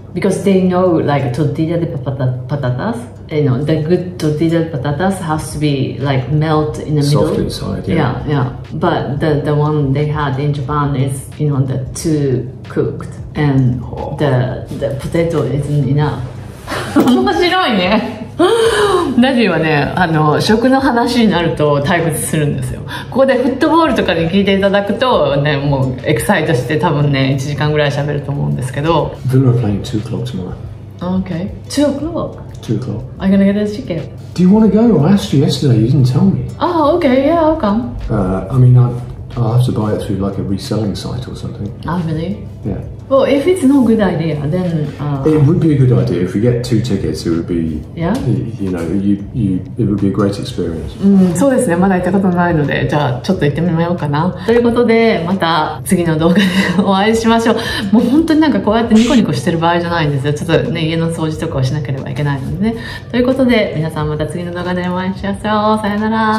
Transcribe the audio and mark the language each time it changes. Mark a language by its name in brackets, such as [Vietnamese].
[English] Because they know like tortilla de patatas. You know, the good tortilla patatas has to be like melt in the soft middle. Soft inside, yeah. Yeah, yeah. But the one they had in Japan is, you know, the too cooked and the potato isn't enough. [Japanese] 面白いね。ラジオはね、あの食の話になると退屈するんですよ。ここでフットボールとかに聞いていただくとね、もうエキサイトして多分ね、1時間ぐらい喋ると思うんですけど。 [English] We're playing 2 o'clock tomorrow. Okay. 2 o'clock? 2 o'clock. Are you gonna get a ticket? Do you want to go? I asked you yesterday, you didn't tell me. Oh, okay, yeah, I'll come. I mean, I'll have to buy it through like a reselling site or something. Oh, really? Yeah. Well, if it's not a good idea, then... It would be a good idea. If you get two tickets, it would be... Yeah? You know, it would be a great experience. [Japanese] そうですね、まだ行ったことないので、じゃあちょっと行ってみようかな。ということで、また次の動画でお会いしましょう。もう本当になんかこうやってニコニコしてる場合じゃないんですよ。ちょっとね、家の掃除とかをしなければいけないのでね。ということで、皆さんまた次の動画でお会いしましょう。さよなら。